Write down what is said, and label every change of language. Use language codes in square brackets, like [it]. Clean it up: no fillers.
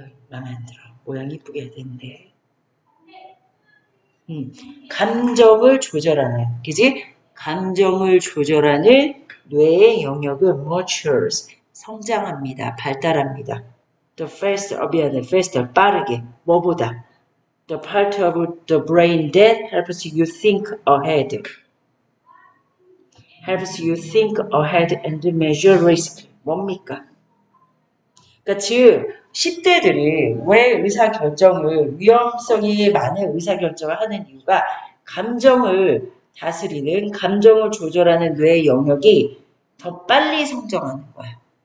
[ko] 마음에 안 들어. 모양 이쁘게 해야 되는데. 감정을 조절하는, 그지? 감정을 조절하는 뇌의 영역은 matures, 성장합니다, 발달합니다. [en] The faster, [ko] 미안해, [en] faster, [ko] 빠르게, 뭐보다? [en] The part of the brain that helps you think ahead. Helps you think ahead and measure risk. [ko] 뭡니까? 그러니까 즉 10대들이 왜 의사결정을 위험성이 많은 의사결정을 하는 이유가 감정을 다스리는 감정을 조절하는 뇌의 영역이 더 빨리 성장하는 거야.